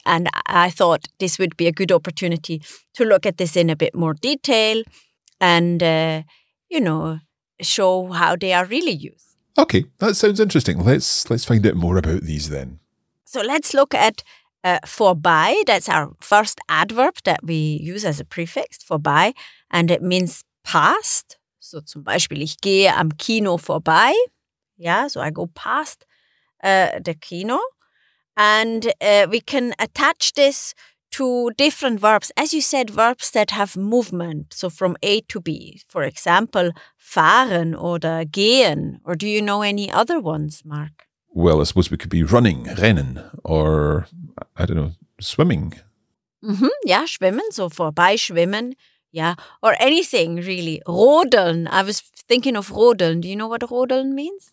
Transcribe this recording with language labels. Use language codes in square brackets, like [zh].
[en] And I thought this would be a good opportunity to look at this in a bit more detail and, you know, show how they are really used. Okay, that sounds interesting. Let's find out more about these then. So let's look at vorbei. That's our first adverb that we use as a prefix, vorbei. And it means past. [de] So zum Beispiel, ich gehe am Kino vorbei. [en] Yeah, so I go past the Kino. And we can attach this to different verbs. As you said, verbs that have movement. So from A to B, for example, [de] fahren oder gehen. [en] Or do you know any other ones, Mark? Well, I suppose we could be running, rennen, or, I don't know, swimming. Mm-hmm. Yeah, schwimmen. So [de] vorbei schwimmen. [en] Yeah. Or anything, really. Rodeln. I was thinking of rodeln. Do you know what rodeln means?